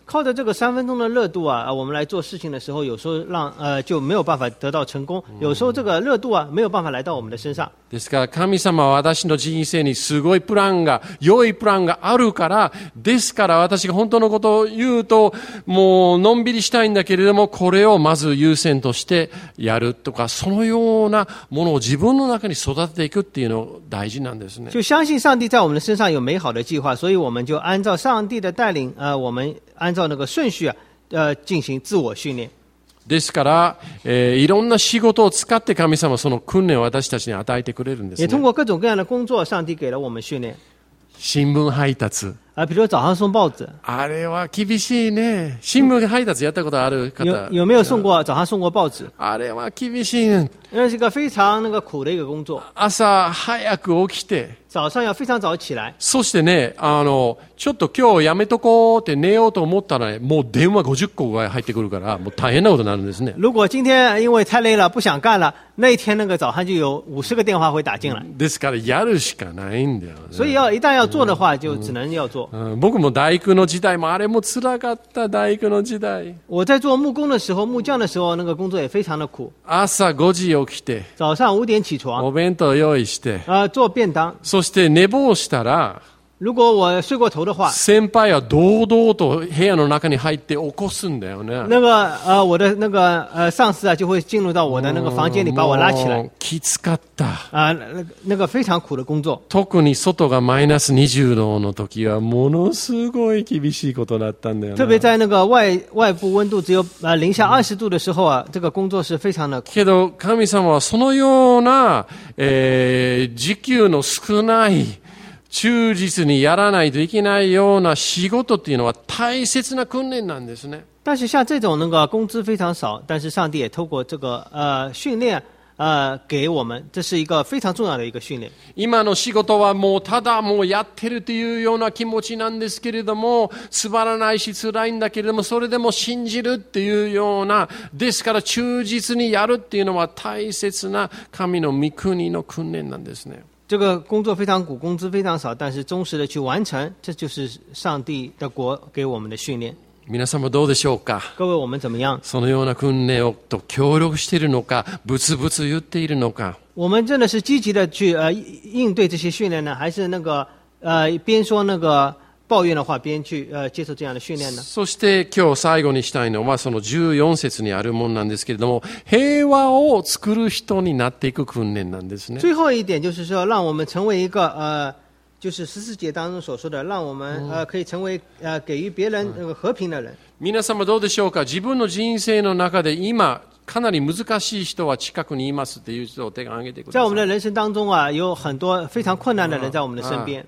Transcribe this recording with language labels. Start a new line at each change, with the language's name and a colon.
Chinese: 靠着这个三分钟的热度啊，我们来做事情的时候，有时候让就没有办法得到成功。有时候这个热度啊，没有办法来到我们的身上。
Japanese: ですから神様は私の人生にすごいプランが、良いプランがあるから、ですから私が本当のことを言うと、もうのんびりしたいんだけれども、これをまず優先としてやるとか、そのようなものを自分の中に育てていくっていうのが大事なんですね。
Chinese: 就相信上帝在我们身上有美好的计划，所以我们就按照上帝的带领，我们按照那个顺序，进行自我训练。
Japanese: ですから、いろんな仕事を使って神様はその訓練を私たちに与えてくれるんですね。
Chinese: 也通过各种各样的工作，上帝给了我们训练。
Japanese: 新聞配達。
Chinese: 比如早上送报纸。
Japanese: あれは厳しいね。新聞配達やったことある方。
Chinese: 有没有送过早上送过报纸？
Japanese: あれは厳しいね。
Chinese: 那是一个非常那个苦的一个工作。
Japanese: 朝早く起きて。
Chinese: 早上要非常早起来。
Japanese: そしてね、ちょっと今日やめとこうって寝ようと思ったら、ね、もう電話50個が入ってくるから、もう大変なことになるんですね。
Chinese: 如果今天因为太累了不想干了，那一天那个早上就有50个电话会打进来。
Japanese: ですからやるしかないんだよ、ね。
Chinese: 所以要一旦要做的话，就只能要做。
Japanese: 僕も大工の時代もあれも辛かった。大工の時代、
Chinese: 我在做木工的时候、木匠的时候、那个工作也非常的苦。
Japanese: 朝5時起きて、
Chinese: 早上5点起床、
Japanese: お弁当用意して、
Chinese: 做便当、
Japanese: そして寝坊したら、
Chinese: 如果我睡过头的话、
Japanese: 先輩は堂々と部屋の中に入って起こすんだよね。
Chinese: 那个我的那个上司啊，就会进入到我的那个房间里把我拉起来。
Japanese: きつかった。
Chinese: 那个非常苦的工作。
Japanese: 特に外がマイナス20度の時はものすごい厳しいことだったんだよね。
Chinese: 特别在那个外部温度只有零下20度的时候啊，这个工作是非常的苦。
Japanese: けど神様はそのような、時給の少ない、忠実にやらないといけないような仕事っていうのは大切な訓練なんですね。
Chinese: 但是像这种那个工资非常少，但是上帝也透过这个训练给我们，这是一个非常重要的一个训练。
Japanese: 今の仕事はもうただもうやってるというような気持ちなんですけれども、つまらないし辛いんだけれども、それでも信じるっていうような、ですから忠実にやるっていうのは大切な神の御国の訓練なんですね。
Chinese: 这个工作非常苦，工资非常少，但是忠实的去完成，这就是上帝的国给我们的训练。
Japanese: 皆様どうでしょうか？
Chinese: 各位，我们怎么样？
Japanese: そのような訓練をと協力しているのか、ブツブツ言っているのか。
Chinese: 我们真的是积极的去应对这些训练呢，还是那个边说那个抱怨的话，边去接受这样的训练呢？
Japanese: そして今日最後にしたいのはその14節にあるものなんですけれども、平和を作る人になっていく訓練なんですね。
Chinese: 最后一点就是说，让我们成为一个就是十四节当中所说的，让我们可以成为给予别人那个和平的人。
Japanese: 皆様どうでしょうか？自分の人生の中で今かなり難しい人は近くにいますっていう人を手を挙げてください。
Chinese: 在我们的人生当中啊，有很多非常困难的人在我们的身边。